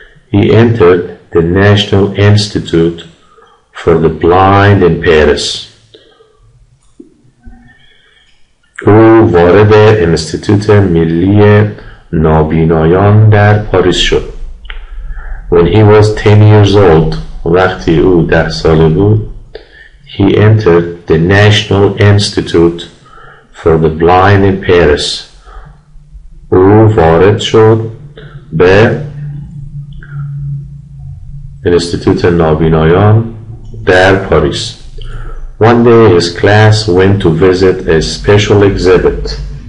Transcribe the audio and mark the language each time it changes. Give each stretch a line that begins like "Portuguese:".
English: He entered the National Institute for the blind in Paris.
Persian: او وارد انستیتوت ملی نابینایان در پاریس شد.
English: When he was 10 years old,
Persian: وقتی او 10 ساله بود.
English: He entered the National Institute for the blind in Paris.
Persian: او وارد شد به انستیتوت نابینایان در پاریس.
English: One day his class went to visit a special exhibit.